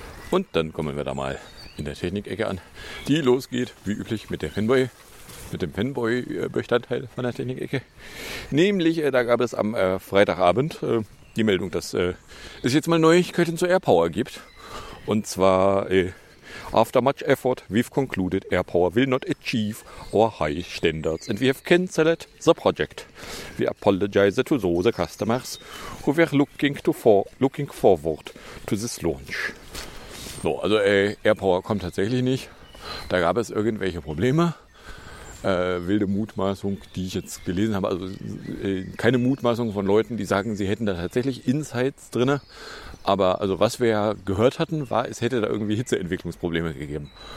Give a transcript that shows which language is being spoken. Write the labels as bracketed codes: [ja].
[de] Und dann kommen wir da mal in der Technik-Ecke an, die losgeht, wie üblich, mit der Fanboy. Mit dem Fanboy-Bestandteil von der Technik-Ecke. Nämlich, da gab es am Freitagabend die Meldung, dass es jetzt mal Neuigkeiten zu AirPower gibt. Und zwar, [en] after much effort, we've concluded AirPower will not achieve our high standards and we have cancelled the project. We apologize to those customers who were looking forward to this launch. [de] So, also AirPower kommt tatsächlich nicht. Da gab es irgendwelche Probleme. Wilde Mutmaßung, die ich jetzt gelesen habe, also keine Mutmaßung von Leuten, die sagen, sie hätten da tatsächlich Insights drin, aber also was wir ja gehört hatten, war, es hätte da irgendwie Hitzeentwicklungsprobleme gegeben.